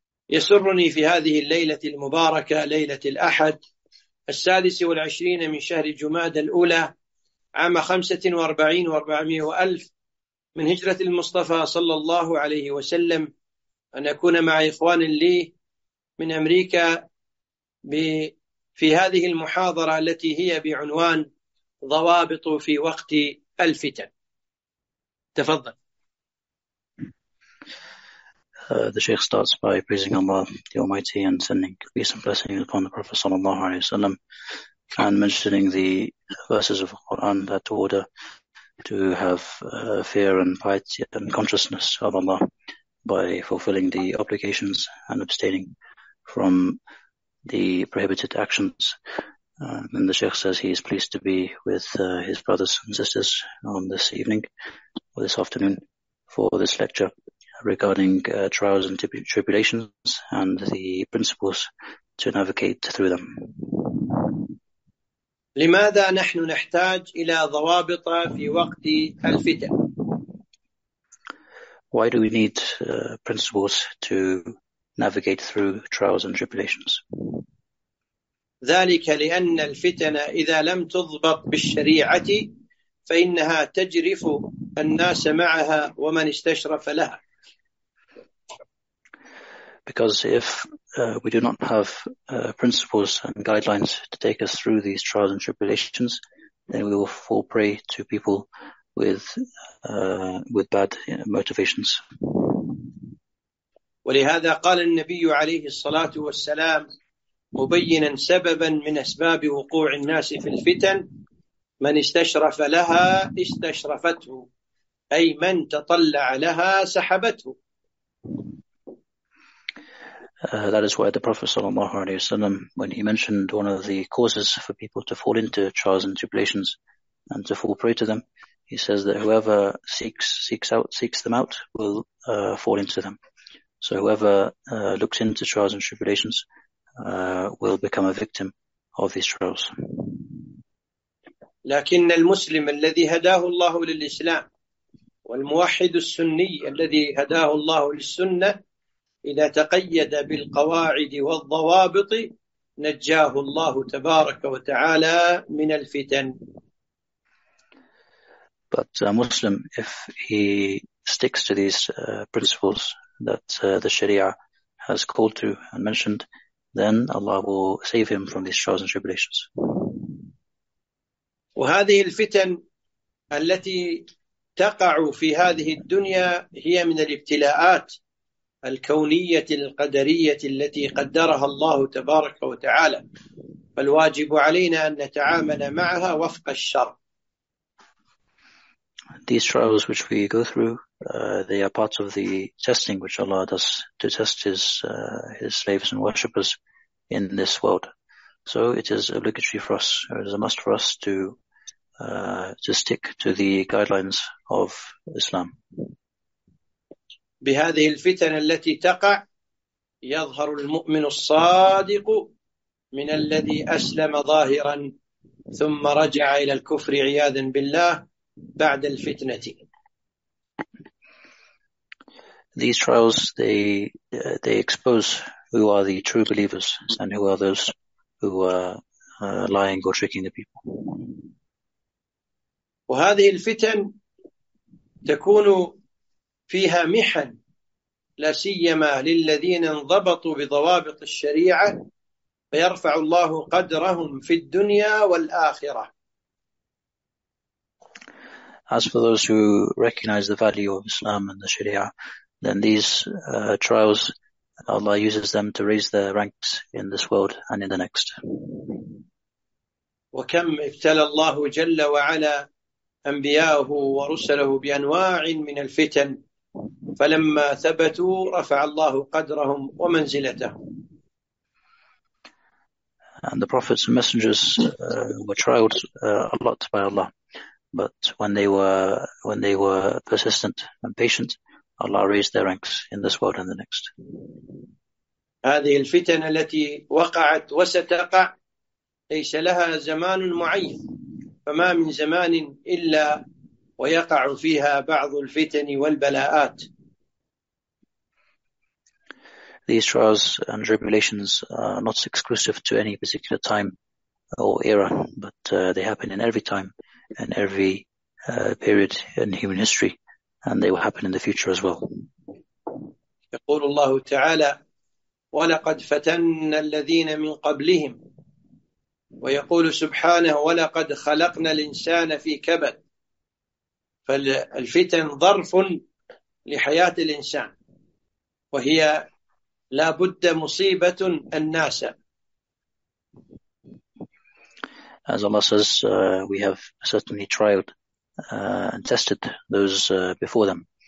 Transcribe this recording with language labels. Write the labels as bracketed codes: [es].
[ar] يسرني في هذه الليلة المباركة، ليلة الأحد 26 من شهر جماد الأولى عام 45 و400 ألف من هجرة المصطفى صلى الله عليه وسلم، أن أكون مع إخوان لي من أمريكا في هذه المحاضرة التي هي بعنوان ضوابط في وقت الفتن. تفضل. [en] The Sheikh starts by praising Allah, the Almighty, and sending peace and blessings upon the Prophet [ar] sallallahu alaihi wasallam, [en] and mentioning the verses of the Quran that order to have fear and piety and consciousness of Allah by fulfilling the obligations and abstaining from the prohibited actions. And the Sheikh says he is pleased to be with his brothers and sisters on this evening or this afternoon for this lecture regarding trials and tribulations and the principles to navigate through them. [ar] لماذا نحن نحتاج إلى ضوابط في وقت الفتن؟ [en] Why do we need principles to navigate through trials and tribulations? [ar] ذلك لأن الفتن إذا لم تضبط بالشريعة فإنها تجرف الناس معها ومن استشرف لها. [en] Because if we do not have principles and guidelines to take us through these trials and tribulations, then we will fall prey to people with bad motivations. [ar] ولهذا قال النبي عليه الصلاة والسلام مبينا سببا من أسباب وقوع الناس في الفتن: من استشرف لها استشرفته، أي من تطلع لها سحبته. [en] That is why the Prophet [ar] sallallahu alaihi wasallam, [en] when he mentioned one of the causes for people to fall into trials and tribulations and to fall prey to them, he says that whoever seeks them out will fall into them. So whoever looks into trials and tribulations will become a victim of these trials. [ar] لكن المسلم الذي هداه الله للإسلام والموحد السني الذي هداه الله للسنة إذا تقيد بالقواعد والضوابط نجاه الله تبارك وتعالى من الفتن. [en] But a Muslim, if he sticks to these principles that the Sharia has called to and mentioned, then Allah will save him from these trials and tribulations. [ar] وهذه الفتن التي تقع في هذه الدنيا هي من الابتلاءات الكونية القدرية التي قدرها الله تبارك وتعالى، فالواجب علينا أن نتعامل معها وفق الشرع. [en] These trials which we go through, they are part of the testing which Allah does to test his slaves and worshippers in this world. So it is obligatory for us, or it is a must for us to stick to the guidelines of Islam. [ar] بهذه الفتن التي تقع يظهر المؤمن الصادق من الذي أسلم ظاهرا ثم رجع إلى الكفر عياذا بالله بعد الفتنة. [en] These trials, they expose who are the true believers and who are those who lying or tricking the people. [ar] وهذه الفتن تكون فيها محن لا سيما للذين انضبطوا بضوابط الشريعة فيرفع الله قدرهم في الدنيا والآخرة. [en] As for those who recognize the value of Islam and the Sharia, then these trials, Allah uses them to raise their ranks in this world and in the next. [ar] وكم ابتلى الله جل وعلا أنبياءه ورسله بأنواع من الفتن فلما ثبتوا رفع الله قدرهم ومنزلتهم. [en] And the prophets and messengers were trialed a lot by Allah. But when they were persistent and patient, Allah raised their ranks in this world and the next. [ar] هذه الفتن التي وقعت وستقع ليس لها زمان معين، فما من زمان إلا ويقع فيها بعض الفتن والبلاءات. [en] These trials and tribulations are not exclusive to any particular time or era, but they happen in every time. In every period in human history, and they will happen in the future as well. [ar] يقول الله تعالى ولقد فتن الذين من قبلهم ويقول سبحانه ولقد خلقنا الإنسان في كبد. فالفتن ظرف لحياة الإنسان وهي لا بد مصيبة الناس. [en] As Allah says, we have certainly trialed and tested those before them.